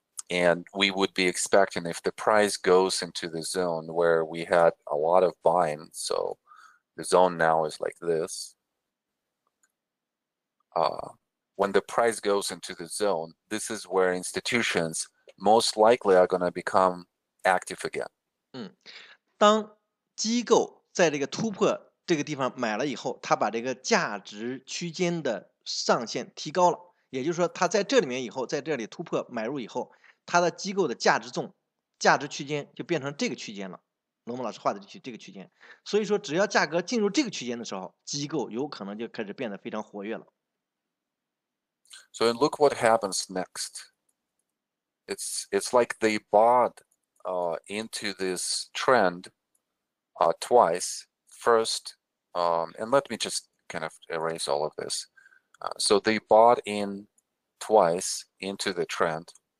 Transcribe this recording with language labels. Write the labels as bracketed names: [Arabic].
[English] And we would be expecting if the price goes into the zone where we had a lot of buying, so the zone now is like this. When the price goes into the zone, this is where institutions most likely are going to become active again. [Chinese] 当机构在这个突破这个地方买了以后，他把这个价值区间的上限提高了，也就是说，他在这里面以后，在这里突破买入以后，他的机构的价值区间就变成这个区间了。罗蒙老师画的这个区间，所以说，只要价格进入这个区间的时候，机构有可能就开始变得非常活跃了。 [English] So and look what happens next. It's like they bought into this trend twice. First, and let me just kind of erase all of this. So they bought in twice into the trend.